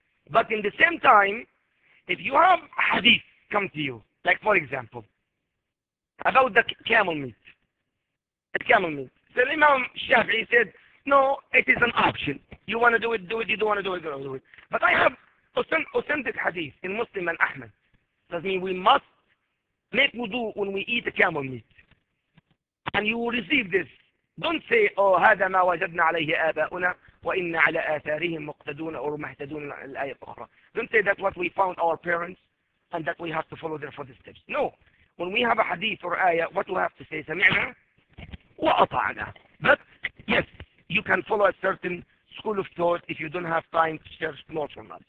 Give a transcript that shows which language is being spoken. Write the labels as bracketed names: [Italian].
[English] But in the same time, if you have a hadith come to you, like for example, about the camel meat. The camel meat. So Imam Shafi said, no, it is an option. You want to do it, do it. You don't want to do it, don't do it. But I have authentic hadith in Muslim and Ahmed. That means we must make wudu when we eat the camel meat. And you will receive this. Don't say, oh, [Arabic] هذا ما وجدنا عليه آباؤنا. وَإِنَّ عَلَىٰ آثَارِهِمْ مُقْتَدُونَ أَوْ مَهْتَدُونَ الْآيَةِ الْأُخْرَىٰ. [English] Don't say that what we found our parents and that we have to follow their footsteps. No. When we have a hadith or ayah, what we have to say? [Arabic] سَمِعْنَا وَأَطَعْنَا. [English] But yes, you can follow a certain school of thought if you don't have time to search more from us.